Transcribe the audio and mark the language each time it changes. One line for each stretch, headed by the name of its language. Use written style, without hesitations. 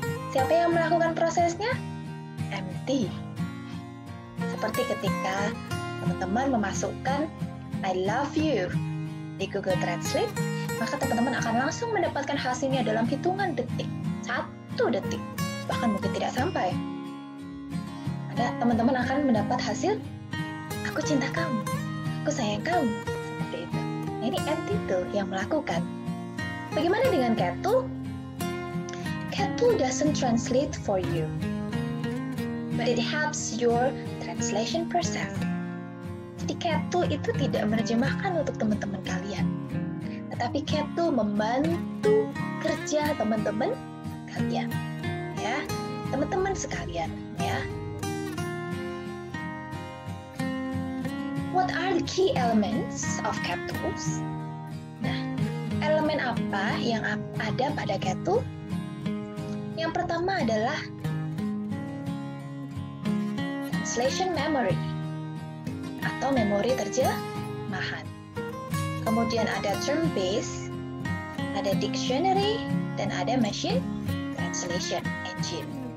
Indonesian: Siapa yang melakukan prosesnya? MT. Seperti ketika teman-teman memasukkan
English: I love you
Indonesian: di Google Translate, maka teman-teman akan langsung mendapatkan hasilnya dalam hitungan detik, 1 detik, bahkan mungkin tidak sampai. Ada teman-teman akan mendapat hasil, aku cinta kamu, aku sayang kamu, seperti itu. Ini MT-tool yang melakukan. Bagaimana dengan CAT-tool?
English: CAT-tool doesn't translate for you, but it helps your translation process.
Indonesian: Jadi CAT-tool itu tidak menerjemahkan untuk teman-teman kalian, tetapi CAT-tool membantu kerja teman-teman kalian, ya, teman-teman sekalian, ya.
English: What are the key elements of CAT-tools?
Indonesian: Nah, elemen apa yang ada pada CAT-tool? Yang pertama adalah translation memory, atau memori terjemahan. Kemudian ada term base, ada dictionary, dan ada machine translation engine.